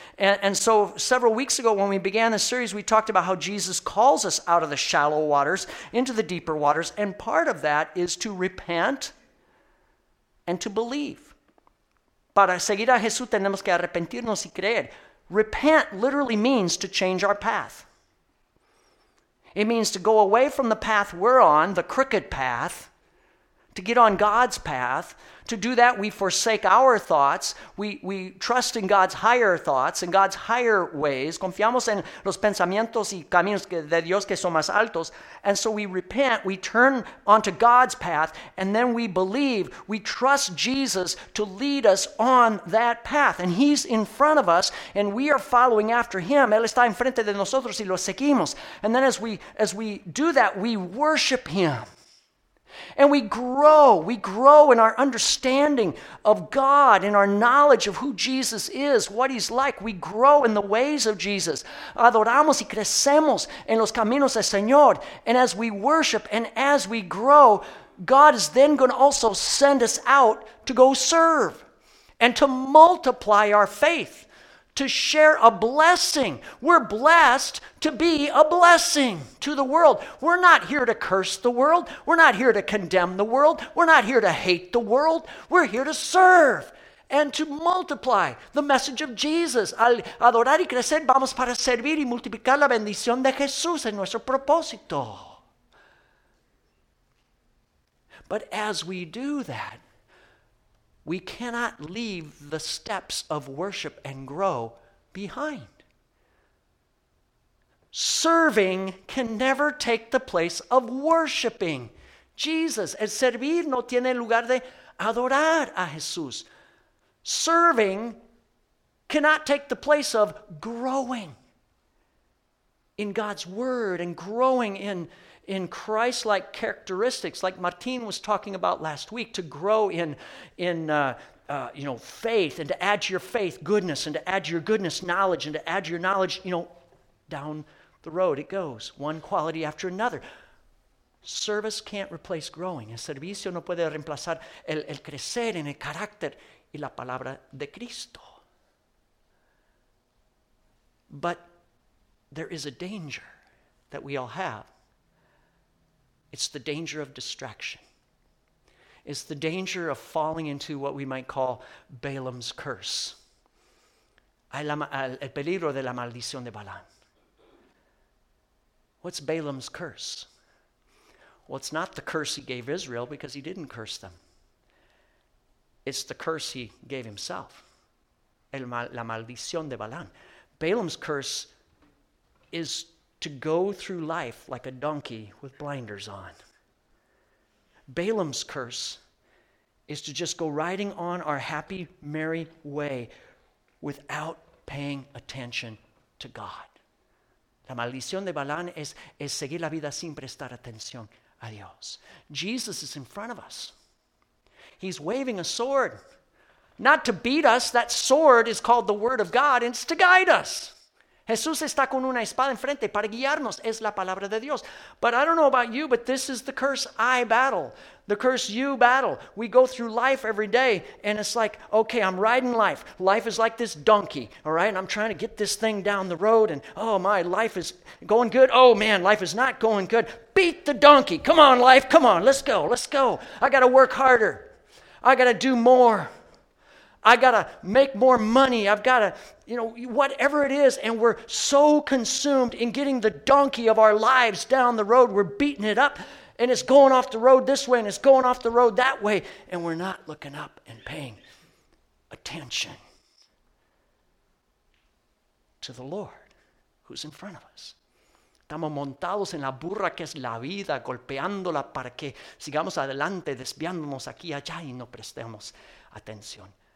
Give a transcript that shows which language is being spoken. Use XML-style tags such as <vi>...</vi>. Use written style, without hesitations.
<en>And so several weeks ago when we began the series, we talked about how Jesus calls us out of the shallow waters into the deeper waters. And part of that is to repent and to believe.</en> <es>Para seguir a Jesús tenemos que arrepentirnos y creer.</es> <en>Repent literally means to change our path. It means to go away from the path we're on, the crooked path, to get on God's path. To do that, we forsake our thoughts. We trust in God's higher thoughts and God's higher ways.</en> <es>Confiamos en los pensamientos y caminos de Dios que son más altos.</es> <en>And so we repent, we turn onto God's path, and then we believe, we trust Jesus to lead us on that path. And he's in front of us, and we are following after him.</en> <es>Él está enfrente de nosotros y lo seguimos.</es> <en>And then as we do that, we worship him. And we grow in our understanding of God, in our knowledge of who Jesus is, what he's like. We grow in the ways of Jesus.</en> <es>Adoramos y crecemos en los caminos del Señor.</es> <en>And as we worship and as we grow, God is then going to also send us out to go serve and to multiply our faith, to share a blessing. We're blessed to be a blessing to the world. We're not here to curse the world. We're not here to condemn the world. We're not here to hate the world. We're here to serve and to multiply the message of Jesus.</en> <es>Al adorar y crecer, vamos para servir y multiplicar la bendición de Jesús en nuestro propósito.</es> <en>But as we do that, we cannot leave the steps of worship and grow behind. Serving can never take the place of worshiping Jesus.</en> <es>El servir no tiene lugar de adorar a Jesús.</es> <en>Serving cannot take the place of growing in God's word and growing in Christ-like characteristics, like Martin was talking about last week, to grow in faith, and to add to your faith goodness, and to add to your goodness knowledge, and to add to your knowledge, you know, down the road it goes, one quality after another. Service can't replace growing.</en> <es>El servicio no puede reemplazar el crecer en el carácter y la palabra de Cristo.</es> <en>But there is a danger that we all have. It's the danger of distraction. It's the danger of falling into what we might call Balaam's curse.</en> <es>El peligro de la maldición de Balaam.</es> <en>What's Balaam's curse? Well, it's not the curse he gave Israel because he didn't curse them. It's the curse he gave himself.</en> <es>La maldición de Balaam.</es> <en>Balaam's curse is to go through life like a donkey with blinders on. Balaam's curse is to just go riding on our happy, merry way without paying attention to God.</en> <es>La maldición de Balaam es seguir la vida sin prestar atención a Dios.</es> <en>Jesus is in front of us. He's waving a sword. Not to beat us, that sword is called the Word of God, and it's to guide us.</en> <es>Jesús está con una espada enfrente para guiarnos. Es la palabra de Dios.</es> <en>But I don't know about you, but this is the curse I battle. The curse you battle. We go through life every day, and it's like, okay, I'm riding life. Life is like this donkey, all right? And I'm trying to get this thing down the road, and oh my, life is going good. Oh man, life is not going good. Beat the donkey. Come on, life. Come on, let's go. Let's go. I got to work harder. I got to do more. I got to make more money. I've got to, you know, whatever it is. And we're so consumed in getting the donkey of our lives down the road. We're beating it up. And it's going off the road this way. And it's going off the road that way. And we're not looking up and paying attention to the Lord who's in front of us.</en> <es>Estamos montados en la burra que es la vida, golpeándola para que sigamos adelante, desviándonos aquí y allá y no prestemos atención.</es>